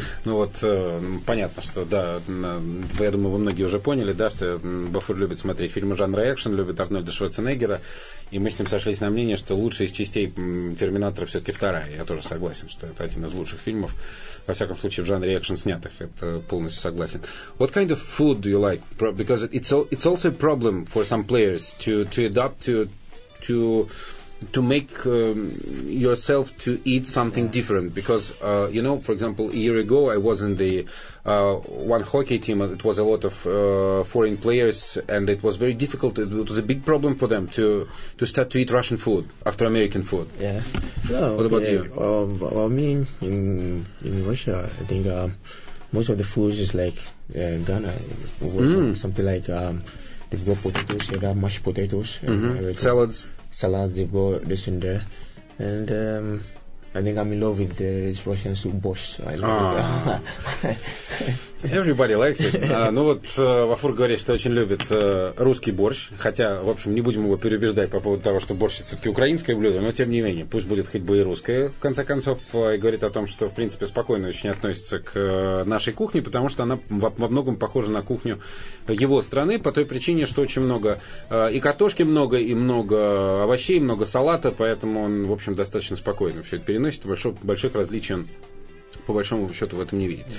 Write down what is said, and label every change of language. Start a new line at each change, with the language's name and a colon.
Russian: Ну вот, понятно, что, да, я думаю, вы многие уже поняли, да, что Бафур любит смотреть фильмы жанра экшен, любит Арнольда Шварценеггера, и мы с ним сошлись на мнение, что лучшая из частей «Терминатора» все-таки вторая. Я тоже согласен, что это один из лучших фильмов, во всяком случае, в жанре экшен снятых. Это полностью согласен.
English: What kind of food do you like? Because it's also a problem for some players to adapt to make yourself to eat something different, because you know, for example, a year ago I was in the one hockey team, and it was a lot of foreign players, and it was very difficult. It was a big problem for them to start to eat Russian food after American food. What about you? Well, I mean, in Russia, I think most of the foods is like Ghana, something like they've got potatoes, they got mashed potatoes, salads. Salads, they've got this and there. And I think I'm in love with this Russian soup, borscht. I love it. Everybody likes it.
Russian: Ну вот, Вафур говорит, что очень любит русский борщ. Хотя, в общем, не будем его переубеждать по поводу того, что борщ все-таки украинское блюдо. Но, тем не менее, пусть будет хоть бы и русское, в конце концов. И говорит о том, что, в принципе, спокойно очень относится к нашей кухне, потому что она во многом похожа на кухню его страны, по той причине, что очень много и картошки много, и много овощей, много салата, поэтому он, в общем, достаточно спокойно все это переносит, больших различий он, по большому счету, в этом не видит.